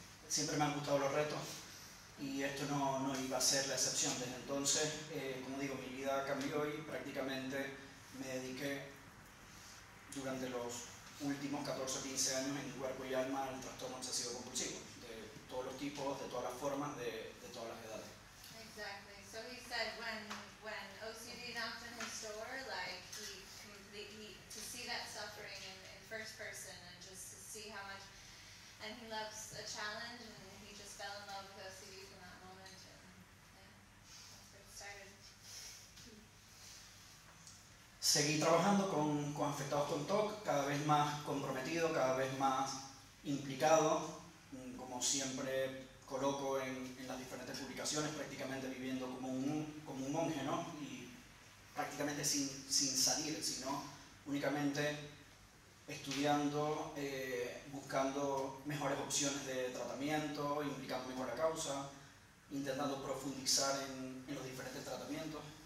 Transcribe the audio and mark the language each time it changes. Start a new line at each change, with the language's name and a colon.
Spanish: Siempre me han gustado los retos y esto no iba a ser la excepción. Desde entonces, como digo, mi vida cambió y prácticamente me dediqué durante los últimos 14 o 15 años en cuerpo y alma al trastorno obsesivo compulsivo, de todos los tipos, de todas las formas, de todas las edades.
English: Exactly. So he said when OCD knocked on his door, like he completely to see that suffering in first person and just to see how much, and he loves a challenge and he just fell in love with OCD from that moment and yeah, that's where it started.
Spanish: Seguí trabajando con afectados con TOC, cada vez más comprometido, cada vez más implicado, como siempre coloco en las diferentes publicaciones, prácticamente viviendo como un monje, ¿no? Y prácticamente sin salir, sino únicamente estudiando, buscando mejores opciones de tratamiento, implicando mejor la causa, intentando profundizar en los diferentes tratamientos.